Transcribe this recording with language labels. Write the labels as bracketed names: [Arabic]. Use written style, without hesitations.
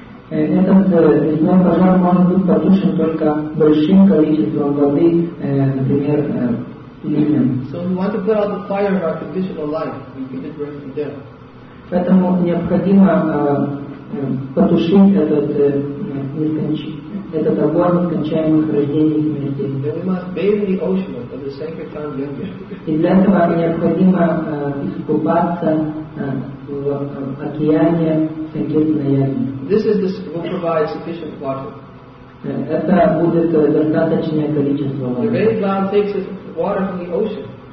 [Russian] Этот лесной пожар может быть потушен только большим количеством воды, например, ливнем. [English] So we want to put out the fire of our conditional life, repeated birth and death. [Russian] Поэтому необходимо потушить этот огонь нескончаемых рождений и смерти. [English] Then we must bathe in the ocean of the sacred time yoga. [Russian] И для этого необходимо искупаться в океане Санкиртана Яги. [English] This is the, will provide sufficient water. [Russian] Это будет достаточное количество воды. [English] The rain cloud takes water from the ocean.